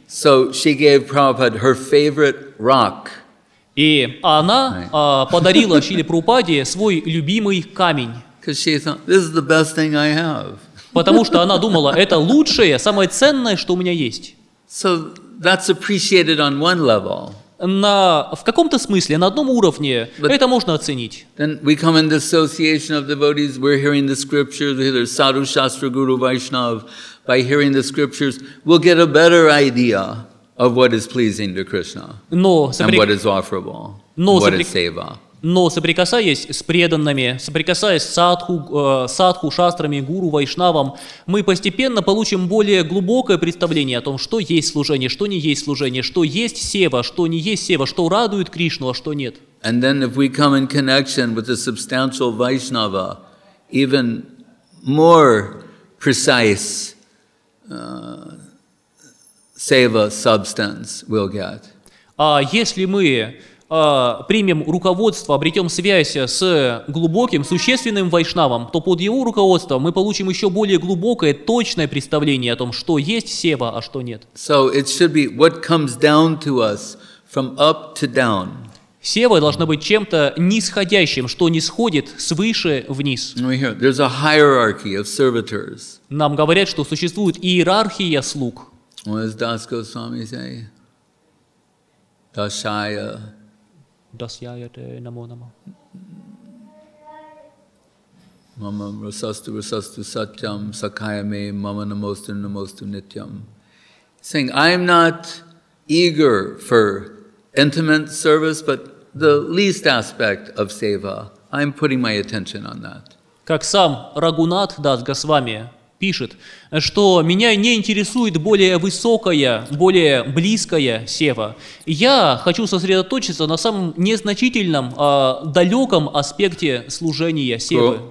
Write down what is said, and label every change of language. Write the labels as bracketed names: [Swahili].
[English] So she gave Prabhupada her favorite rock. [Russian] И она подарила Шриле Прабхупаде свой любимый камень. [English] Because she thought, this is the best thing I have. [Russian] Потому что она думала, это лучшее, самое ценное, что у меня есть. [English] So that's appreciated on one level. [Russian] На, в каком-то смысле, на одном уровне, [English] but [Russian] это можно оценить. [English] Then we come in the association of devotees, we're hearing the scriptures, either Sadhu, Shastra, Guru, Vaishnav, by hearing the scriptures, we'll get a better idea of what is pleasing to Krishna and what is offerable, what is seva. [Russian] Но соприкасаясь с преданными, соприкасаясь с садху, садху, шастрами, гуру, вайшнавам, мы постепенно получим более глубокое представление о том, что есть служение, что не есть служение, что есть сева, что не есть сева, что радует Кришну, а что нет. [English] And then if we come in connection with a substantial Vaishnava, even more precise seva substance we'll get. [Russian] А если мы примем руководство, обретем связь с глубоким, существенным вайшнавом, то под его руководством мы получим еще более глубокое, точное представление о том, что есть сева, а что нет. [English] So it should be what comes down to us from up to down. [Russian] Сева должна быть чем-то нисходящим, что нисходит свыше вниз. [English] There's a hierarchy of servitors. [Russian] Нам говорят, что существует иерархия слуг. [English] What does Das Goswami say? [Sanskrit] Dasaya. Dasyayate namo namo. Mama rasastu rasastu satyam sakayame mama namostu namostu nityam. [English] Saying, I'm not eager for intimate service, but the least aspect of seva, I'm putting my attention on that. [Russian] Как сам Рагунат Дас Госвами пишет, что меня не интересует более высокая, более близкая сева. Я хочу сосредоточиться на самом незначительном, далеком аспекте служения севы.